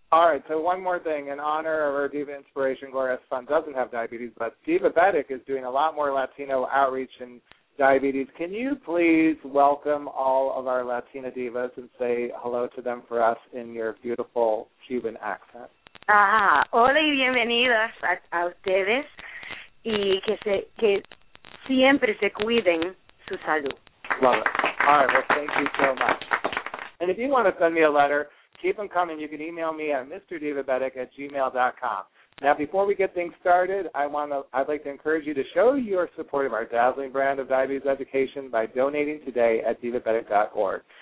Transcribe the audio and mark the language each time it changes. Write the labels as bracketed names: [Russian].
[English] All right, so one more thing. In honor of our Diva Inspiration, Gloria Estefan doesn't have diabetes, but Divabetic is doing a lot more Latino outreach and diabetes. Can you please welcome all of our Latina divas and say hello to them for us in your beautiful Cuban accent? [Spanish] Hola y bienvenidos a ustedes y que siempre se cuiden su salud. [English] Love it. All right, well, thank you so much. And if you want to send me a letter, keep them coming. You can email me at MrDivaBetic@gmail.com. Now, before we get things started, I'd like to encourage you to show your support of our dazzling brand of diabetes education by donating today at divabetic.org.